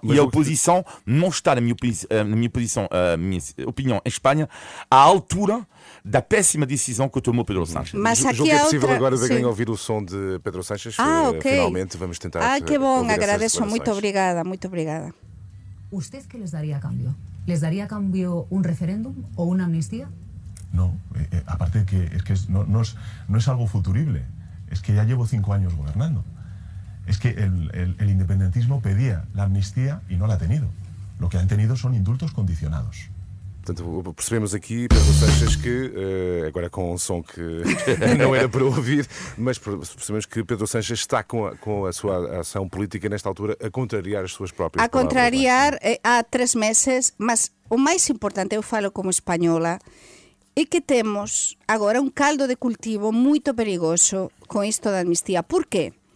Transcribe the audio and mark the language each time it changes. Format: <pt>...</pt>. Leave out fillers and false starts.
<pt>Mas e a oposição não está, na minha opinião, em Espanha, à altura da péssima decisão que tomou Pedro Sánchez. Mas aqui é possível agora de ouvir o som de Pedro Sánchez. Ah, ok. Finalmente vamos tentar. Ah, que bom, agradeço. Muito obrigada, muito obrigada.</pt> <es>¿Usted qué les daría a cambio? ¿Les daría a cambio un referéndum o una amnistía? No, aparte de que no es algo futurible. Es que ya llevo 5 años gobernando. Es que el independentismo pedía la amnistía y no la ha tenido. Lo que han tenido son indultos condicionados.</es> <pt>Portanto, percebemos aqui, Pedro Sánchez, que agora com um som que não era para ouvir, mas percebemos que Pedro Sánchez está com a sua ação política nesta altura a contrariar as suas próprias palavras. Há 3 meses, mas o mais importante, eu falo como espanhola, é que temos agora um caldo de cultivo muito perigoso com isto da amnistia. Por quê?</pt>